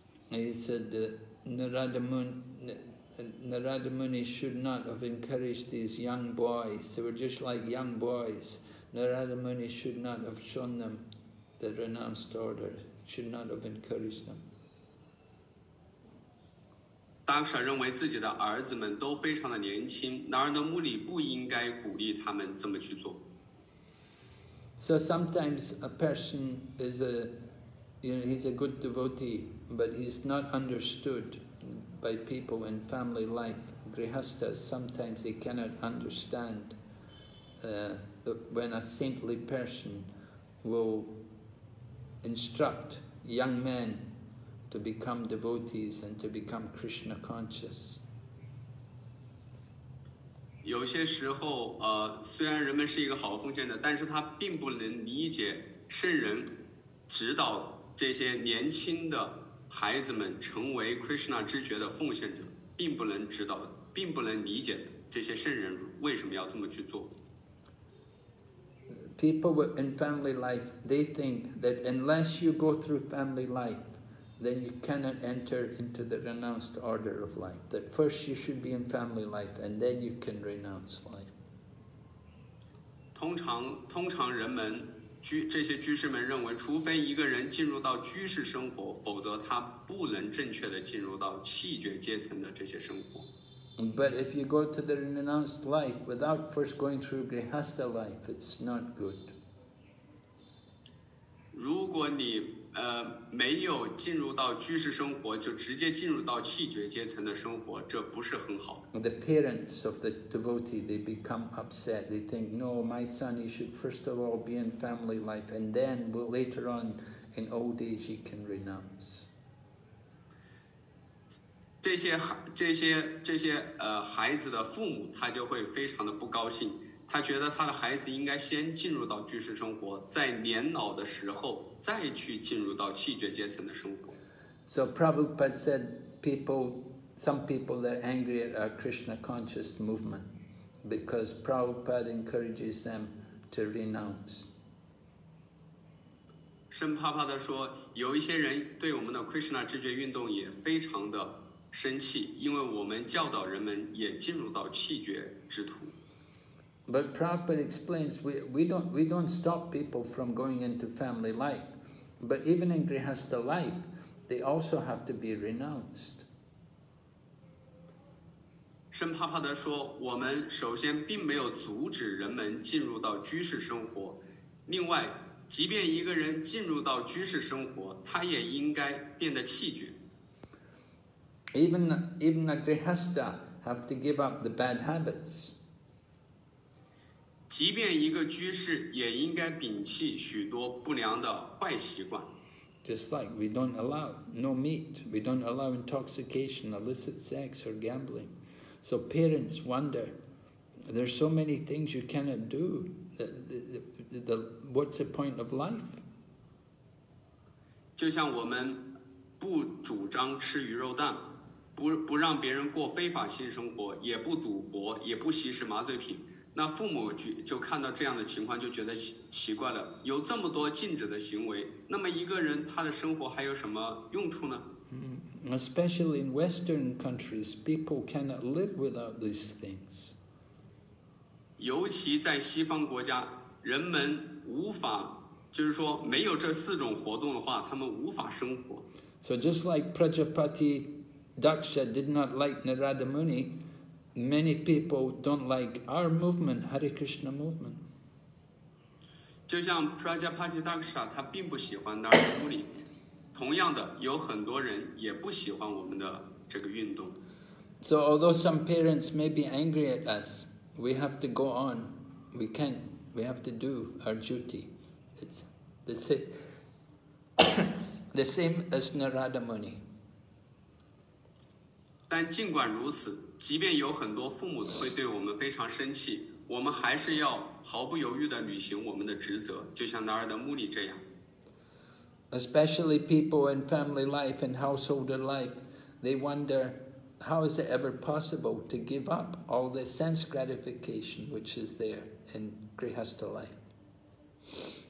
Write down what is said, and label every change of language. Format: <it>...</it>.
<en>He said that Narada Muni should not have encouraged these young boys. They were just like young boys. Narada Muni should not have shown them the renounced order, should not have encouraged them.</en> <zh>Daksha 认为自己的儿子们都非常的年轻，然而的目的不应该鼓励他们这么去做。</zh> <en>So sometimes a person is a, you know, he's a good devotee, but he's not understood by people in family life. Grihasthas, sometimes they cannot understand when a saintly person will instruct young men. To become devotees and to become Krishna conscious.</en> <zh>有些时候，虽然人们是一个好奉献者，但是他并不能理解圣人指导这些年轻的孩子们成为 Krishna 知觉的奉献者，并不能指导，并不能理解这些圣人为什么要这么去做。</zh> <en>People in family life, they think that unless you go through family life. Then you cannot enter into the renounced order of life. That first you should be in family life, and then you can renounce life.</en> <zh>通常人们这些居士们认为，除非一个人进入到居士生活，否则他不能正确的进入到弃绝阶层的这些生活。</zh> <en>But if you go to the renounced life without first going through grihastha life, it's not good.</en> <zh>如果你没有进入到居士生活，就直接进入到弃绝阶层的生活，这不是很好。</zh> <en>The parents of the devotee, they become upset. They think, no, my son, you should first of all be in family life, and then later on, in old age, you can renounce.</en> <zh>这些孩子的父母，他就会非常的不高兴。他觉得他的孩子应该先进入到居士生活，在年老的时候再去进入到弃绝阶层的生活。</zh> <en>So Prabhupada said, some people they're angry at our Krishna conscious movement because Prabhupada encourages them to renounce.</en> <zh>圣帕帕的说，有一些人对我们的 Krishna 知觉运动也非常的生气，因为我们教导人们也进入到弃绝之途。</zh> <en>But Prabhupada explains, we don't stop people from going into family life. But even in grihastha life, they also have to be renounced.</en> <zh>圣帕帕德说，我们首先并没有阻止人们进入到居士生活，另外，即便一个人进入到居士生活，他也应该变得弃绝。</zh> <en>Even a grihastha have to give up the bad habits.</en> <zh>即便一个居士也应该摒弃许多不良的坏习惯。</zh> <en>Just like we don't allow no meat, we don't allow intoxication, illicit sex, or gambling. So parents wonder, there's so many things you cannot do. What's the point of life?</en> <zh>就像我们不主张吃鱼肉蛋，不让别人过非法性生活，也不赌博，也不吸食麻醉品。那父母就看到这样的情况就觉得奇怪了，有这么多禁止的行为，那么一个人他的生活还有什么用处呢？</zh> <en>Especially in Western countries, people cannot live without these things.</en> <zh>尤其在西方国家，人们无法，就是说没有这四种活动的话，他们无法生活。</zh> <en>So just like Prajapati Daksha did not like Narada Muni,Many people don't like our movement, Hare Krishna movement.</en> <zh>就像 Prajapati Daksha, 他并不喜欢 Narada Muni. 同样的，有很多人也不喜欢我们的这个运动。</zh> <en>So although some parents may be angry at us, we have to go on. We can't. We have to do our duty. It's the same as Narada Muni.</en> <zh>但尽管如此。即便有很多父母会对我们非常生气，我们还是要毫不犹豫地履行我们的职责，就像达尔的穆里这样。</zh> <en>Especially people in family life and household life, they wonder how is it ever possible to give up all the sense gratification which is there in grihastha life.</en>